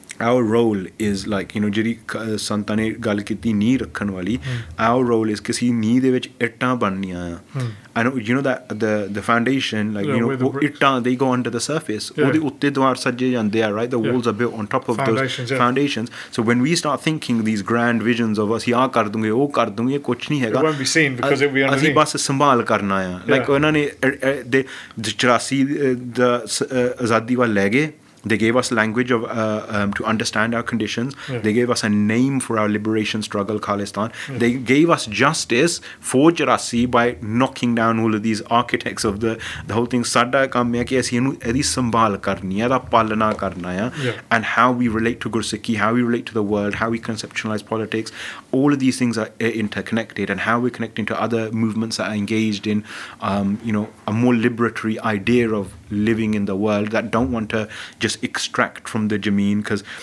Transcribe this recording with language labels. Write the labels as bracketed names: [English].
[English] our role is, like, you know, [Punjabi] jehdi santan ne gal kiti ni rakhan wali, [English] our role is [Punjabi] kisi ni de vich itta banniyan aa, [English] and you know that the foundation, like, yeah, you know, itta, they go under the surface, [Punjabi] ode utte dwar sajje jande aa, [English] right, the walls are built on top of foundations. So when we start thinking these grand visions of us, [Punjabi] ਆ ਕਰ ਦਿਆਂਗੇ ਓਹ ਕਰ ਦਿਆਂਗੇ ਕੁਝ ਨਹੀਂ ਹੈਗਾ, [English] it won't be seen because it will be underneath. [Punjabi] ਅਸੀਂ ਬਸ ਸੰਭਾਲ ਕਰਨਾ ਆ, like, ਉਨ੍ਹਾਂ ਨੇ ਦੇ 84 ਦਾ ਆਜ਼ਾਦੀ ਵੱਲ ਲੈ ਗਏ. [English] They gave us language of to understand our conditions. Yeah. They gave us a name for our liberation struggle, Khalistan. Yeah. They gave us justice for 84 by knocking down all of these architects of the whole thing. [Punjabi] ਸਾਡਾ ਕੰਮ ਹੈ ਕਿ ਅਸੀਂ ਇਹਨੂੰ ਏਦੀ ਸੰਭਾਲ ਕਰਨੀ ਹੈ, ਦਾ ਪਾਲਣਾ ਕਰਨਾ ਹੈ. [English] And how we relate to Gursikhi, how we relate to the world, how we conceptualize politics, all of these things are interconnected, and how we're connecting to other movements that are engaged in you know, a more liberatory idea of living in the world, that don't want to just extract from the Jameen, because